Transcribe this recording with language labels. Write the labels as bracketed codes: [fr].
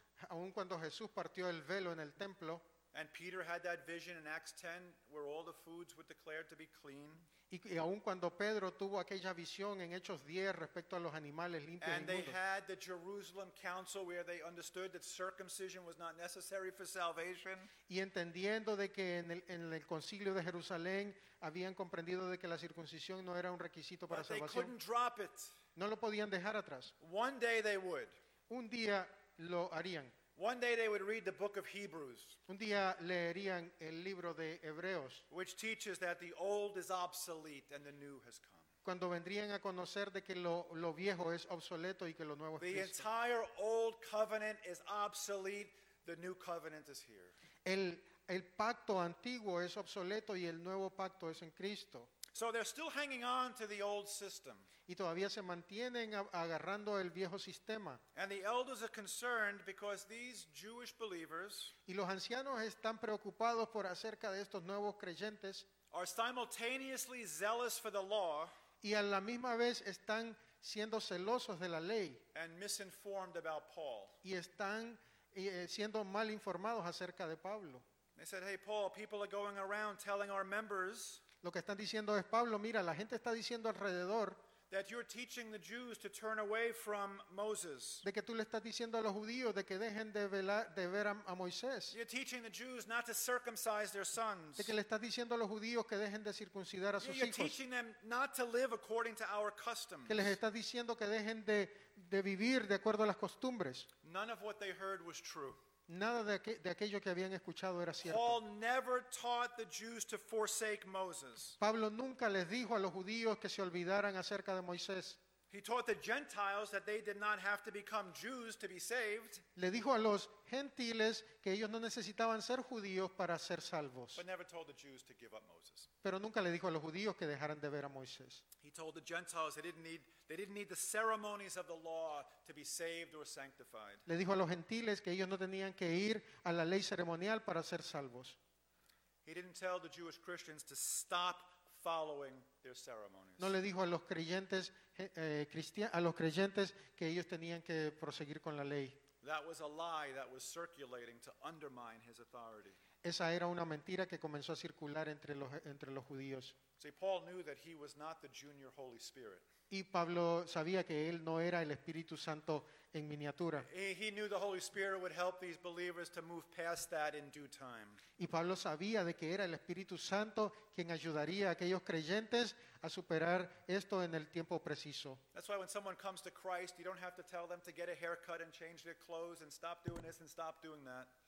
[es] aun cuando Jesús partió el velo en el templo, [en] and Peter had that vision in Acts 10 where all the foods were declared to be clean. [es] Y aun cuando Pedro tuvo aquella visión en Hechos 10 respecto a los animales limpios y inmundos. [en] And they had the Jerusalem council where they understood that circumcision was not necessary for salvation. [es] Y entendiendo de que en el concilio de Jerusalén habían comprendido de que la circuncisión no era un requisito para salvación. [en] But they couldn't drop it. [es] No lo podían dejar atrás. [en] One day they would. [es] Un día lo harían. [en] One day they would read the book of Hebrews. [es] Un día leerían el libro de Hebreos. [en] Which teaches that the old is obsolete and the new has come. [es] Cuando vendrían a conocer de que lo viejo es obsoleto y que lo nuevo es Cristo. [en] The entire old covenant is obsolete, the new covenant is here. [es] El pacto antiguo es obsoleto y el nuevo pacto es en Cristo. [en] So they're still hanging on to the old system. [es] Y todavía se mantienen agarrando el viejo sistema. [en] And the elders are concerned because these Jewish believers, [es] y los ancianos están preocupados por acerca de estos nuevos creyentes, [en] are simultaneously zealous for the law, [es] y a la misma vez están siendo celosos de la ley, [en] and misinformed about Paul. [es] Y están siendo mal informados acerca de Pablo. [en] They said, hey Paul, people are going around telling our members, [es] lo que están diciendo es, Pablo, mira, la gente está diciendo alrededor [en] that you're teaching the Jews to turn away from Moses. [es] De que tú le estás diciendo a los judíos de que dejen de ver a Moisés. [en] You're teaching the Jews not to circumcise their sons. [es] De que le estás diciendo a los judíos que dejen de circuncidar a sus hijos. [en] You're teaching them not to live according to our customs. [es] Que les estás diciendo que dejen de vivir de acuerdo a las costumbres. [en] None of what they heard was true. [es] Nada de aquello que habían escuchado era cierto. [en] Paul never taught the Jews to forsake Moses. [es] Pablo nunca les dijo a los judíos que se olvidaran acerca de Moisés. [en] He taught the Gentiles that they did not have to become Jews to be saved. [es] Le dijo a los gentiles que ellos no necesitaban ser judíos para ser salvos. [en] But never told the Jews to give up Moses. [es] Pero nunca le dijo a los judíos que dejaran de ver a Moisés. [en] He told the Gentiles they didn't need the ceremonies of the law to be saved or sanctified. [es] Le dijo a los gentiles que ellos no tenían que ir a la ley ceremonial para ser salvos. [en] He didn't tell the Jewish Christians to stop following their ceremonies. [es] No le dijo a los creyentes que ellos tenían que proseguir con la ley. [en] That was a lie that was circulating to undermine his authority. [es] Esa era una mentira que comenzó a circular entre los judíos. [en] See, Paul knew that he was not the junior Holy Spirit. [es] Y Pablo sabía que él no era el Espíritu Santo en miniatura. [en] He knew the Holy Spirit would help these believers to move past that in due time. [es] Y Pablo sabía de que era el Espíritu Santo quien ayudaría a aquellos creyentes a superar esto en el tiempo preciso. [en] That's why when someone comes to Christ, you don't have to tell them to get a haircut and change their clothes and stop doing this and stop doing that.